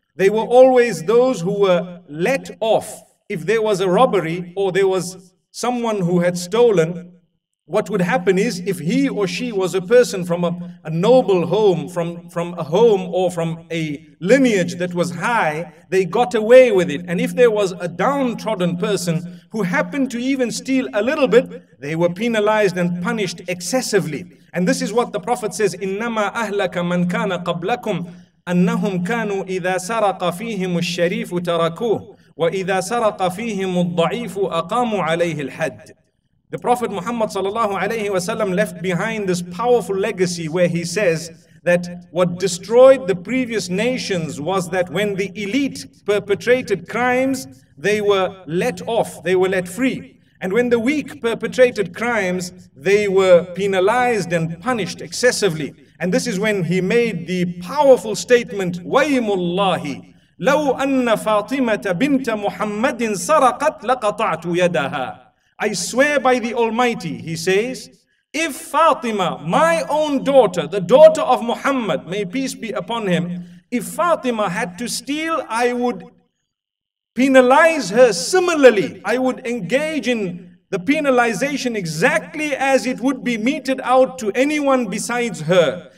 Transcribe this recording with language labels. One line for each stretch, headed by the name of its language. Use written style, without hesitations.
English: They were always those who were let off. If there was a robbery or there was someone who had stolen, what would happen is if he or she was a person from a noble home, from a home or from a lineage that was high, they got away with it. And if there was a downtrodden person who happened to even steal a little bit, they were penalized and punished excessively. And this is what the Prophet says,
Arabic: إِنَّمَا أَهْلَكَ مَنْ كَانَ قَبْلَكُمْ أَنَّهُمْ كَانُوا إِذَا سَرَقَ فِيهِمُ الشَّرِيفُ تَرَكُوهُ وَإِذَا سَرَقَ فِيهِمُ الضَّعِيفُ أَقَامُوا عَلَيْهِ الْحَدِّ.
English: The Prophet Muhammad sallallahu alayhi wa sallam left behind this powerful legacy where he says that what destroyed the previous nations was that when the elite perpetrated crimes, they were let off, they were let free. And when the weak perpetrated crimes, they were penalized and punished excessively. And this is when he made the powerful statement,
Arabic: وَيْمُ اللَّهِ لَوْ أَنَّ فَاطِمَةَ بِنْتَ مُحَمَّدٍ سَرَقَتْ لَقَطَعْتُ يَدَهَا.
English: I swear by the Almighty, he says, if Fatima, my own daughter, the daughter of Muhammad, may peace be upon him, if Fatima had to steal, I would penalize her similarly. I would engage in the penalization exactly as it would be meted out to anyone besides her.